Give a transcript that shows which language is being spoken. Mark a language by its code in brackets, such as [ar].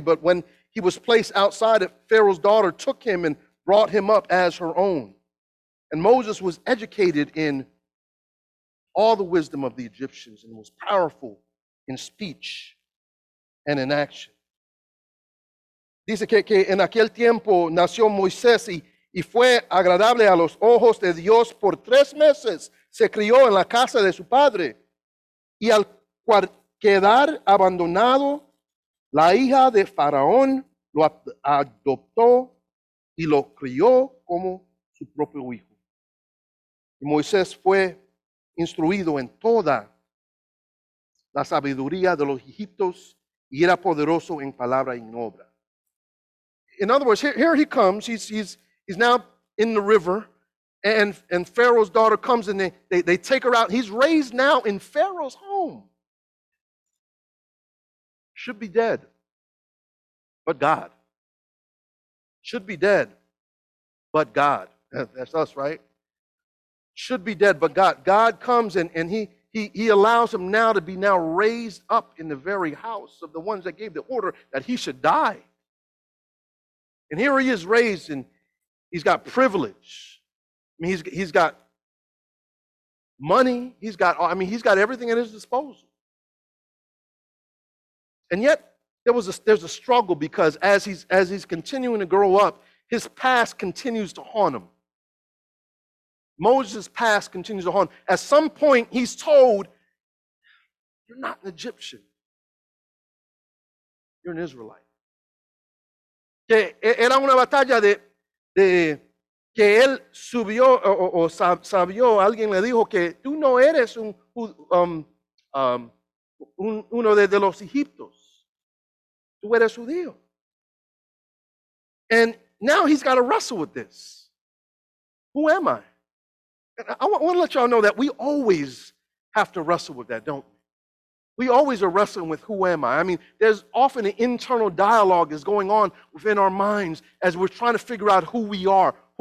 [en] But when he was placed outside, Pharaoh's daughter took him and brought him up as her own. And Moses was educated in all the wisdom of the Egyptians and was powerful in speech and in action. [es] Dice que en aquel tiempo nació Moisés y fue agradable a los ojos de Dios por 3 meses. Se crió en la casa de su padre. Y al quedar abandonado, la hija de Faraón lo adoptó y lo crió como su propio hijo. Y Moisés fue instruido en toda la sabiduría de los egipcios y era poderoso en palabra y en obra. [en] In other words, here he comes. He's now in the river, and Pharaoh's daughter comes and they take her out. He's raised now in Pharaoh's home. Should be dead, but God. Should be dead, but God. That's us, right? Should be dead, but God. God comes and he allows him now to be now raised up in the very house of the ones that gave the order that he should die. And here he is raised, and he's got privilege. I mean, he's got money. He's got everything at his disposal. And yet there's a struggle, because as he's continuing to grow up, his past continues to haunt him. Moses' past continues to haunt. At some point, he's told, you're not an Egyptian. You're an Israelite. [es] Que era una batalla de que él subió o sabió. Alguien le dijo que tú no eres uno de los egipcios. Tú eres judío. [en] And now he's got to wrestle with this. Who am I? I want to let y'all know that we always have to wrestle with that, don't we? We always are wrestling with who am I? I mean, there's often an internal dialogue is going on within our minds as we're trying to figure out who we are.